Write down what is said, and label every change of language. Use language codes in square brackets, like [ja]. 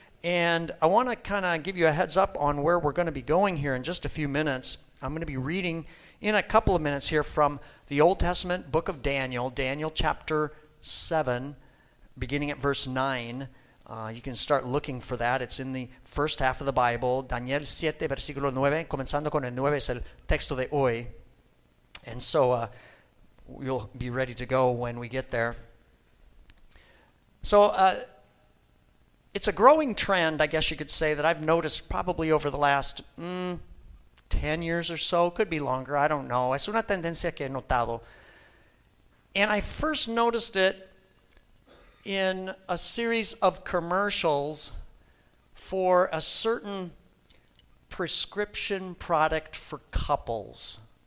[en] And I want to kind of give you a heads up on where we're going to be going here in just a few minutes. I'm going to be reading in a couple of minutes here from the Old Testament book of Daniel, Daniel chapter 7, beginning at verse 9. You can start looking for that. It's in the first half of the Bible. [es] Daniel 7, versículo 9. Comenzando con el 9 es el texto de hoy. [en] And so we'll be ready to go when we get there. So it's a growing trend, I guess you could say, that I've noticed probably over the last 10 years or so. Could be longer. I don't know. [es] Es una tendencia que he notado. [en] And I first noticed it in a series of commercials for a certain prescription product for couples.